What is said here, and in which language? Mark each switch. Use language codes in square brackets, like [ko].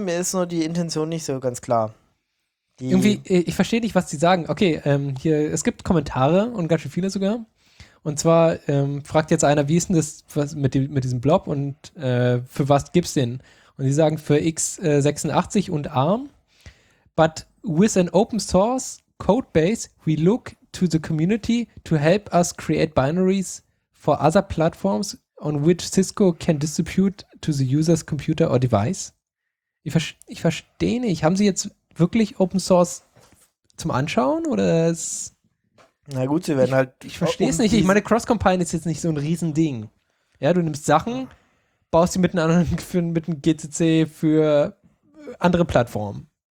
[de] Mir ist nur die Intention nicht so ganz klar. Irgendwie, ich verstehe nicht, was sie sagen. Okay, hier, es gibt Kommentare und ganz schön viele sogar. Und zwar fragt jetzt einer, wie ist denn das mit diesem Blob und für was gibt's den? Und sie sagen, für x86 und ARM. [en] But with an open source code base, we look to the community to help us create binaries for other platforms on which Cisco can distribute to the user's computer or device. [de] Ich verstehe nicht. Haben Sie jetzt wirklich Open Source zum Anschauen oder ist. Na gut, Sie werden halt. Ich verstehe es nicht. Ich meine, Cross-Compile ist jetzt nicht so ein Riesending. Ja, du nimmst Sachen, baust sie mit einem GCC für andere Plattformen.